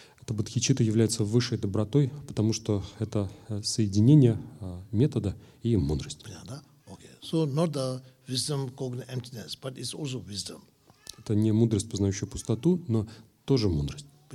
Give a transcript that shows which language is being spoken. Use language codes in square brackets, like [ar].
[ru] Это бодхичитта является высшей добротой, потому что это соединение метода и мудрости. [en] Okay. So not the wisdom cognizant emptiness, but it's also wisdom. [ru] Это не мудрость, познающая пустоту, но тоже мудрость.